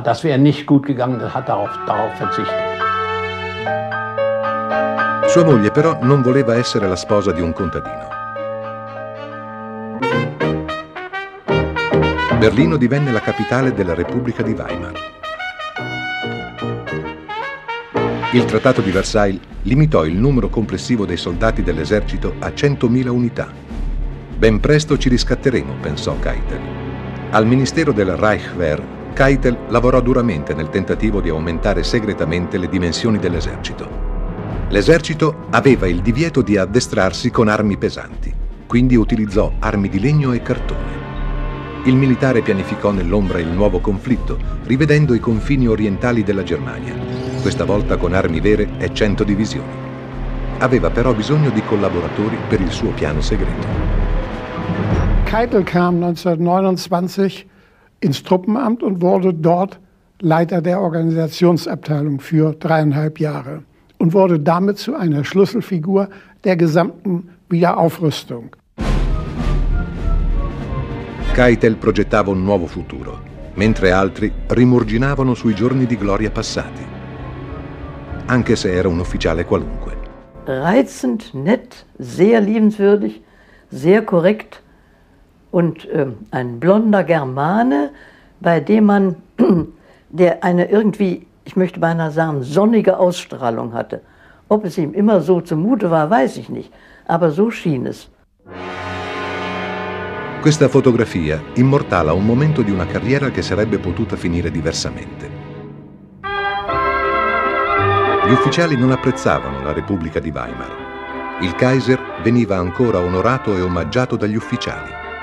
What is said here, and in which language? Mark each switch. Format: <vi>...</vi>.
<de>Das wäre nicht gut gegangen, das hat darauf verzichtet.</de> <it>Sua moglie però non voleva essere la sposa di un contadino. Berlino divenne la capitale della Repubblica di Weimar. Il Trattato di Versailles limitò il numero complessivo dei soldati dell'esercito a 100.000 unità. Ben presto ci riscatteremo, pensò Keitel. Al Ministero del Reichswehr Keitel lavorò duramente nel tentativo di aumentare segretamente le dimensioni dell'esercito. L'esercito aveva il divieto di addestrarsi con armi pesanti, quindi utilizzò armi di legno e cartone. Il militare pianificò nell'ombra il nuovo conflitto, rivedendo i confini orientali della Germania, questa volta con armi vere e 100 divisioni. Aveva però bisogno di collaboratori per il suo piano segreto.</it> <de>Keitel kam 1929 ins Truppenamt und wurde dort Leiter der Organisationsabteilung für 3,5 Jahre und wurde damit zu einer Schlüsselfigur der gesamten Wiederaufrüstung.</de> <it>Keitel progettava un nuovo futuro, mentre altri rimuginavano sui giorni di gloria passati. Anche se era un ufficiale qualunque.</it> <de>Reizend, nett, sehr liebenswürdig, sehr korrekt und ein blonder Germane, bei dem man, der eine irgendwie, ich möchte beinahe sagen, sonnige Ausstrahlung hatte. Ob es ihm immer so zumute war, weiß ich nicht, aber so schien es.</de> <it>Questa fotografia immortala un momento di una carriera che sarebbe potuta finire diversamente. Gli ufficiali non apprezzavano la Repubblica di Weimar. Il Kaiser veniva ancora onorato e omaggiato dagli ufficiali.</it>